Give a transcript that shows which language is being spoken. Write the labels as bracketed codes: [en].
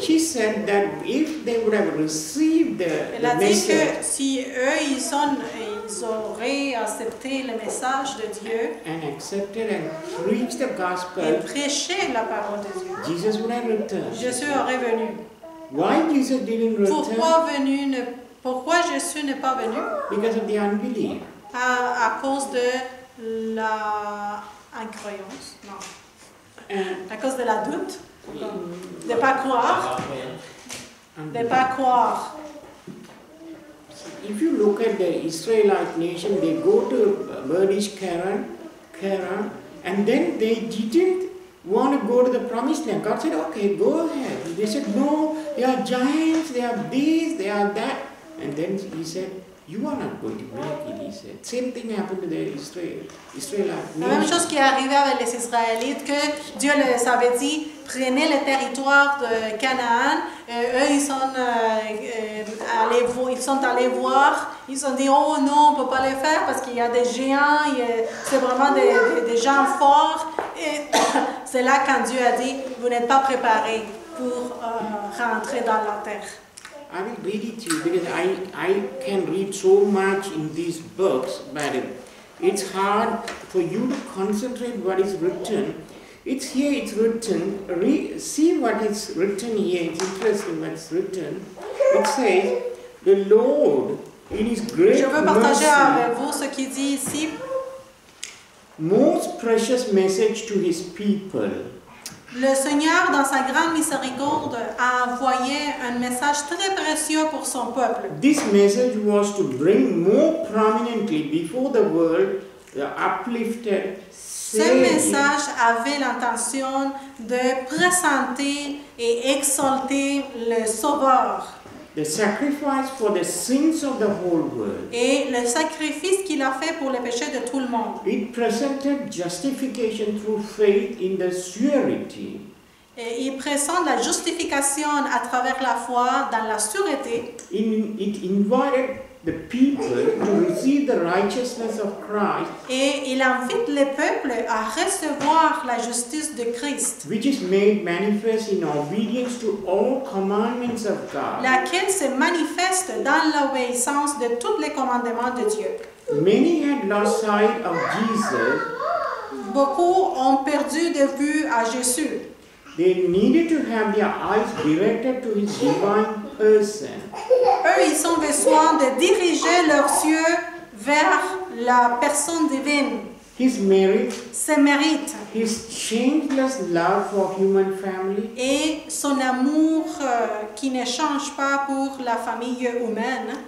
[en] She said that if they would have received the message. [fr] Elle a dit que si eux ils auraient accepté le message de Dieu. [en] And accepted and preached the gospel. [fr] Et prêché la parole de Dieu. [en] Jesus would have returned. [fr] Jésus aurait venu. [en] Why Jesus didn't return? [fr] Pourquoi Jésus n'est pas venu? [en] Because of the unbelief. [fr] À cause de la incroyance, non. À cause de la doute, de ne pas croire. De ne pas croire. [en] If you look at the Israelite nation, they go to Burdish Karan, and then they didn't want to go to the promised land. God said, okay, go ahead. They said, no, they are giants, they are this, they are that. And then he said, you are not going to make it, he said. Same thing happened to the Israelites. [fr] La même chose qui est arrivée avec les Israélites, que Dieu les avait dit, prenez le territoire de Canaan. Eux, ils sont allés voir. Ils ont dit, oh non, on ne peut pas le faire parce qu'il y a des géants, c'est vraiment des gens forts. Et c'est là quand Dieu a dit, vous n'êtes pas préparés pour rentrer dans la terre. [en] I will read it to you because I can read so much in these books, but it's hard for you to concentrate what is written. It's here, it's written. See what is written here. It's interesting what is written. It says, the Lord, in His great mercy. [fr] Je veux partager avec vous ce qu'il dit ici. [en] Most precious message to His people. [fr] Le Seigneur, dans sa grande miséricorde, a envoyé un message très précieux pour son peuple. [en] This message was to bring more prominently before the world the uplifted Savior. [fr] Ce message avait l'intention de présenter et exalter le Sauveur. [en] The sacrifice for the sins of the whole world. [fr] Et le sacrifice qu'il a fait pour les péchés de tout le monde. [en] It presented justification through faith in the surety. [fr] Et il présente la justification à travers la foi dans la sûreté. [en] It invited the people to receive the righteousness of Christ. [fr] Et il invite le peuple à recevoir la justice de Christ. [en] Which is made manifest in obedience to all commandments of God. [fr] Laquelle se manifeste dans l'obéissance de tous les commandements de Dieu. [en] Many had lost sight of Jesus. [fr] Beaucoup ont perdu de vue à Jésus. [en] They needed to have their eyes directed to his divine person. [fr] Eux, ils ont besoin de diriger leurs yeux vers la personne divine. [en] His merit. [fr] Ses mérites. [en] His changeless love for human family. [fr] Et son amour qui ne change pas pour la famille humaine.